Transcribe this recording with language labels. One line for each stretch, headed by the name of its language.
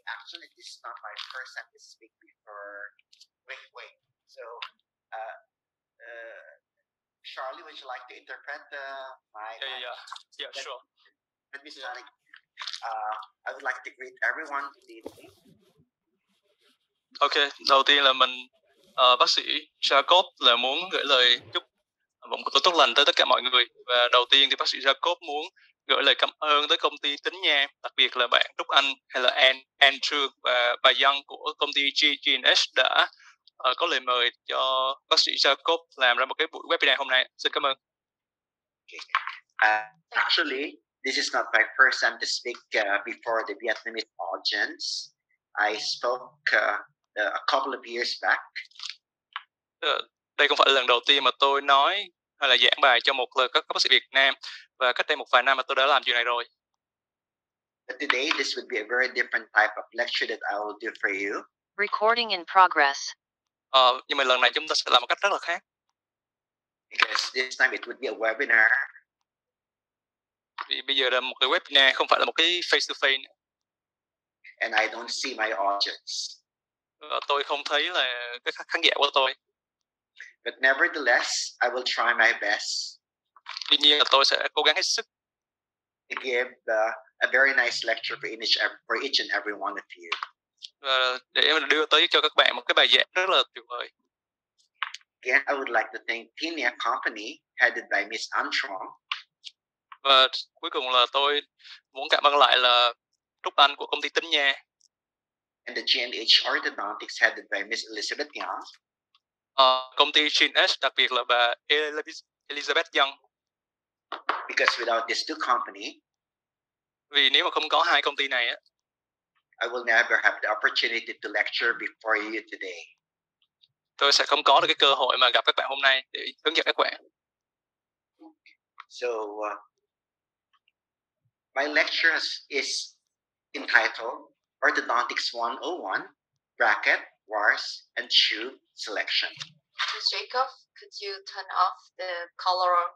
English: Actually, this is not my first time to speak before. Wait. So, Charlie, would you like to interpret my? Yeah, sure. Let me start again. I would like to greet everyone. Good evening.
Vietnamese: Okay, đầu tiên là mình bác sĩ Jacob là muốn gửi lời chúc vòng cổ tốt lành tới tất cả mọi người. Và đầu tiên thì bác sĩ Jacob muốn gửi lời cảm ơn tới công ty Tín Nha, đặc biệt là bạn Trúc Anh hay là Andrew và bà Young của công ty GNS đã có lời mời cho bác sĩ Jacob làm ra một cái buổi webinar hôm nay. Xin cảm ơn.
English: Actually, this is not my first time to speak before the Vietnamese audience. I spoke a couple of years back.
Vietnamese: Đây không phải lần đầu tiên mà tôi nói hay là giảng bài cho một lời các bác sĩ Việt Nam, và cách đây một vài năm mà tôi đã làm chuyện này rồi.
English: But today this would be a very different type of lecture that I will do for you. Recording in progress.
Vietnamese: Nhưng mà lần này chúng ta sẽ làm một cách rất là khác.
English: Because this time it would be a webinar.
Vietnamese: Vì bây giờ là một cái webinar, không phải là một cái
English: face to face. And I don't see my audience.
Vietnamese: Tôi không thấy là cái khán giả của tôi.
English: But nevertheless, I will try my best.
Vietnamese: Tuy nhiên là tôi sẽ cố gắng hết sức.
English: To give a very nice lecture for each and every one of you.
Vietnamese: Để em đưa tới cho các bạn một cái bài giảng rất là tuyệt vời.
English: Again, I would like to thank Tín Nha Company, headed by Miss Antron.
Vietnamese: Và cuối cùng là tôi muốn cảm ơn lại là Trúc Anh của công ty Tín Nha.
English: And the GNH Orthodontics headed by Miss Elizabeth Young.
Vietnamese: Công ty GNH, đặc biệt là bà Elizabeth Young.
English: Because without these two companies,
Vietnamese: vì nếu mà không có hai công ty này á,
English: I will never have the opportunity to lecture before you today.
Vietnamese: Tôi sẽ không có được cái cơ hội mà gặp các bạn hôm nay để hướng dẫn các bạn.
English: So my lecture is entitled Orthodontics 101, bracket, wires, and tube selection. Ms. Jacob, could you turn off the color?